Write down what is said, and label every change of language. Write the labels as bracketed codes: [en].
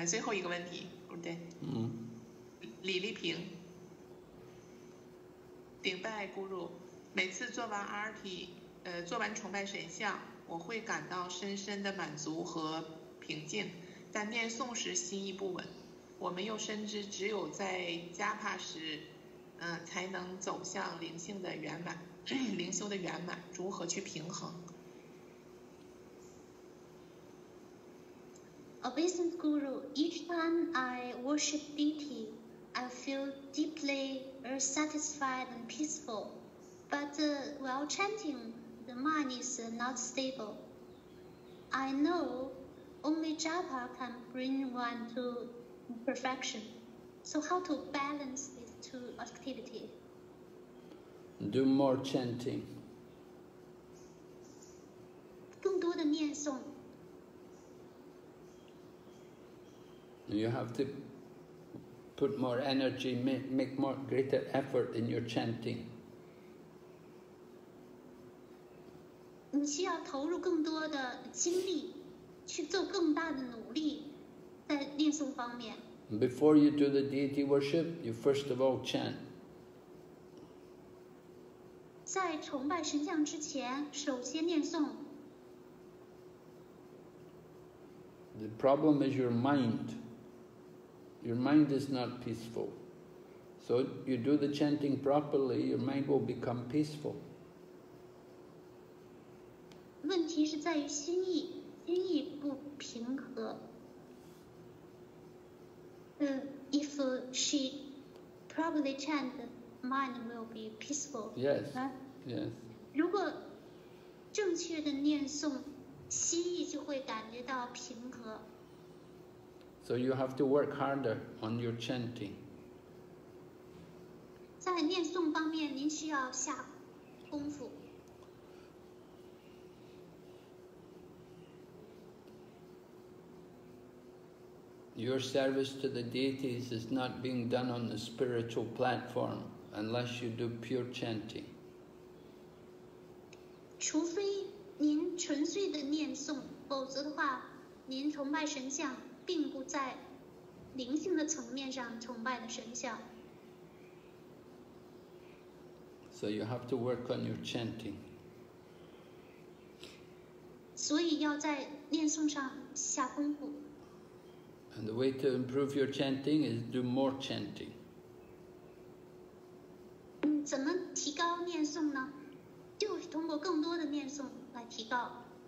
[en] The last question, right? Li Liping, worship Guru. Every time I do the RT, do the worship of the God, I feel deep satisfaction and peace. When I read the prayer, my heart is unsteady. [zh] 我们又深知只有在加帕时才能走向灵性的圆满，灵修的圆满，如何去平衡？ [en] Obeisance Guru, each time I worship deity, I feel deeply satisfied and peaceful, but while chanting, the mind is not stable. I know only Japa can bring one toperfection. So how to balance these two activities? Do more chanting. [zh] 更多的念诵。 [en] You have to put more energy, make more greater effort in your chanting. [zh] 你需要投入更多的精力，去做更大的努力，在念诵方面。 [en] Before you do the deity worship, you first of all chant. [zh] 在崇拜神像之前，首先念诵。 [en] The problem is your mind. Your mind is not peaceful. So you do the chanting properly, your mind will become peaceful. [zh] 问题是在于心意不平和。 [en] If she properly chant, the mind will be peaceful. Yes.、Yes. [zh] 如果正确的念诵，心意就会感觉到平和。 [en] So you have to work harder on your chanting. [zh] 在念诵方面，您需要下功夫。 [en] Your service to the deities is not being done on the spiritual platform unless you do pure chanting. [zh] 除非您纯粹的念诵，否则的话，您崇拜神像并不在灵性的层面上崇拜的神像。 [en] So you have to work on your chanting. [zh] 所以要在念诵上下功夫。 [en] And the way to improve your chanting is do more chanting. [zh] 怎么提高念诵呢？就是通过更多的念诵来提高。